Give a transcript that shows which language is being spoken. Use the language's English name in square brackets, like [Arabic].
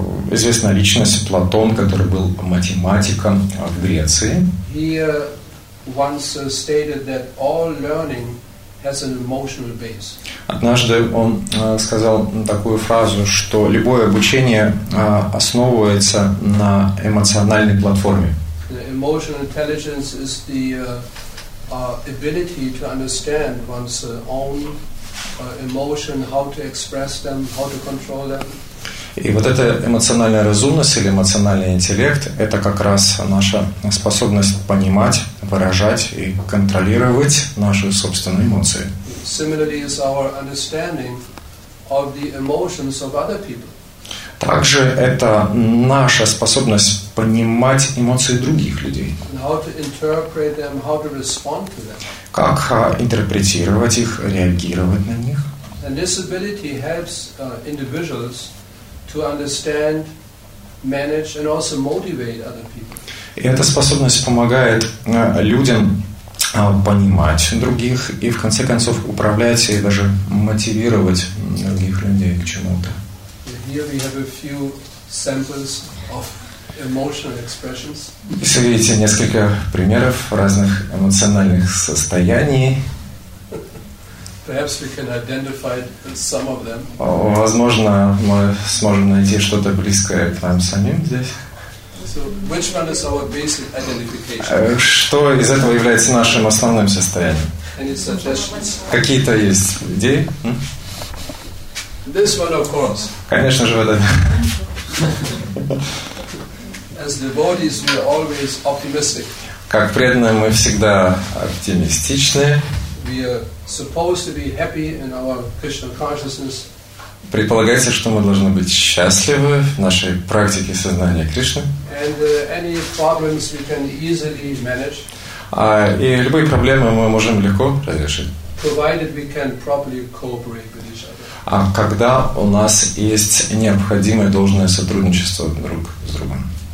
[Russian] Известная личность Платон, который был математиком в Греции. [English] He once stated that all learning has an emotional base. [Russian] Однажды он сказал такую фразу, что любое обучение основывается на эмоциональной платформе. [English] The emotional intelligence is the ability to understand one's own emotion, how to express them, how to control them. [Russian] И вот эта эмоциональная разумность или эмоциональный интеллект – это как раз наша способность понимать, выражать и контролировать наши собственные эмоции. [English] Similarly is our understanding of the emotions of other people. [Russian] Также это наша способность понимать эмоции других людей. [English] And how to interpret them, how to respond to them. [Russian] Как интерпретировать их, реагировать на них. [English] And this ability helps individuals to understand, manage, and also motivate other people. [Russian] И эта способность помогает людям понимать других и, в конце концов, управлять и даже мотивировать других людей к чему-то. [English] Here we have a few samples of emotional expressions. [Russian] Если видите несколько примеров разных эмоциональных состояний, [English] perhaps we can identify some of them. [Russian] Возможно, мы сможем найти что-то близкое к нам самим здесь. [English] So which one is our basic identification? [Russian] Что из этого является нашим основным состоянием? Какие-то есть идеи? [English] This one, of course. [Russian] Конечно же, в этом. [English] As devotees, we are always optimistic. [Russian] Как преданные, мы всегда оптимистичны. [English] We are supposed to be happy in our Krishna consciousness. [Russian] Предполагается, что мы должны быть счастливы в нашей практике сознания Кришны. [English] And any problems we can easily manage. [Russian] И любые проблемы мы можем легко разрешить. [English] Provided we can properly cooperate with each other. [Russian] А когда у нас есть необходимое должное сотрудничество друг с другом.